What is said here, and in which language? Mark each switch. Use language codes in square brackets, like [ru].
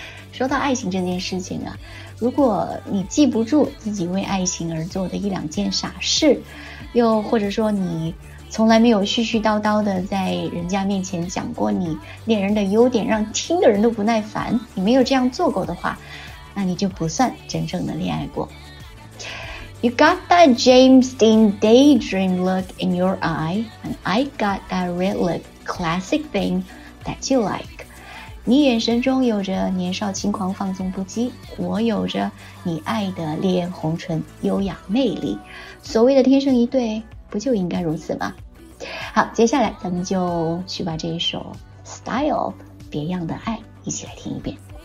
[zh] 说到爱情这件事情啊，如果你记不住自己为爱情而做的一两件傻事，又或者说你从来没有絮絮叨叨的在人家面前讲过你恋人的优点，让听的人都不耐烦，你没有这样做过的话，那你就不算真正的恋爱过。 [en] You got that James Dean daydream look in your eye, and I got that red lip classic thing that you like. [zh] 你眼神中有着年少轻狂、放纵不羁，我有着你爱的烈焰红唇、优雅魅力。所谓的天生一对，不就应该如此吗？好，接下来咱们就去把这一首《Style》别样的爱一起来听一遍。